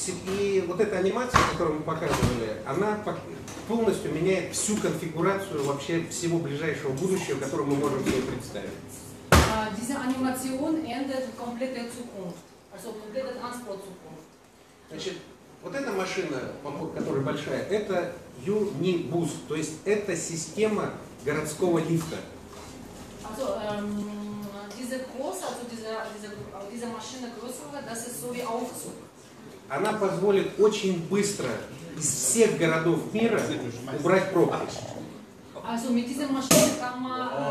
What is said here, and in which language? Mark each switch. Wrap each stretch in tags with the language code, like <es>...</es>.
<ru>И вот эта анимация, которую мы показывали, она полностью меняет всю конфигурацию вообще всего ближайшего будущего, которое мы можем себе представить.</ru> <de>Diese Animation ändert komplette Zukunft, also komplette Transport-Zukunft.</de> <ru>Значит, вот эта машина, которая большая, это Unibus, то есть это система городского лифта.</ru> <de>Also, diese große, also diese Maschine größere, das ist so wie Aufzug.</de> <ru>Она позволит очень быстро из всех городов мира убрать пробки.</ru> <de>Also mit dieser Maschine kann man</de>